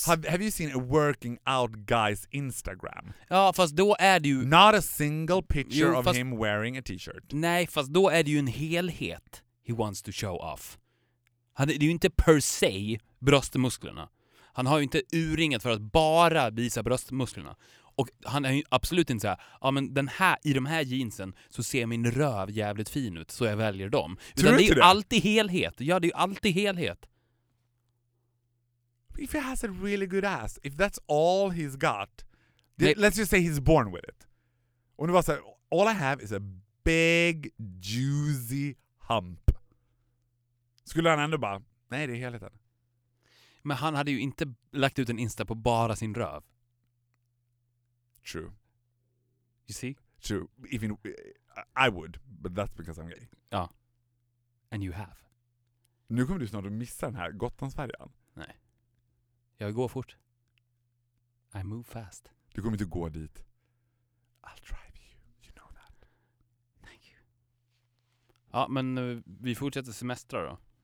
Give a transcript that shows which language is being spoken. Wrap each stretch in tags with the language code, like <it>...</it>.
<en>Seen, have you seen a working out guy's Instagram?</en> <sv>Ja, fast då är det ju...</sv> <en>Not a single picture</en> <sv>jo, fast,</sv> <en>of him wearing a t-shirt.</en> <sv>Nej, fast då är det ju en helhet</sv> <en>he wants to show off.</en> <sv>Han, det är ju inte per se bröstmusklerna. Han har ju inte urringat för att bara visa bröstmusklerna. Och han är ju absolut inte så här, ja men den här, i de här jeansen så ser min röv jävligt fin ut, så jag väljer dem. Tror utan det är ju det? Alltid helhet. Ja, det är ju alltid helhet.</sv> <en>If he has a really good ass, if that's all he's got, let's just say he's born with it.</en> <sv>Och nu bara så här,</sv> <en>all I have is a big juicy hump.</en> <sv>Skulle han ändå bara, nej det är helheten. Men han hade ju inte lagt ut en Insta på bara sin röv.</sv> <en>True. You see? True. Even I would, but that's because I'm gay. Ja. And you have.</en> <sv>Nu kommer du snart att missa den här Gotlandsfärjan. Nej. Jag går fort.</sv> <en>I move fast.</en> <sv>Du kommer inte gå dit.</sv> <en>I'll drive you. You know that. Thank you.</en> <sv>Ja, men vi fortsätter semestra då.</sv>